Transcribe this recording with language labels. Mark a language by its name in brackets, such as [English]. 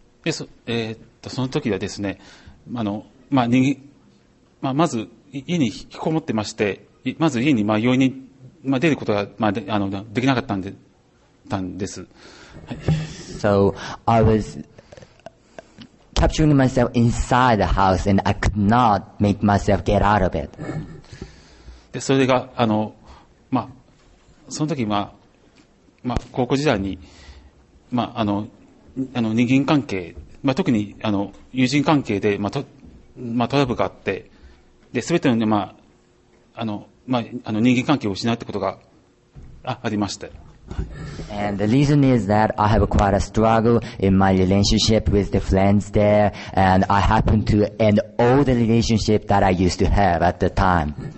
[Japanese] その時はですね、まず家に引きこもってまして、まず家に容易に出ることが できなかったんです。 [English] So I was capturing myself inside the house and I could not make myself get out of it. [Japanese] で、それがその時高校時代に人間関係、特に友人関係でトラブルがあって。で、全ての、人間関係を失うってことがありまして。 [English] And the reason is that I have quite a struggle in my relationship with the friends there, and I happen to end all the relationship that I used to have at the time.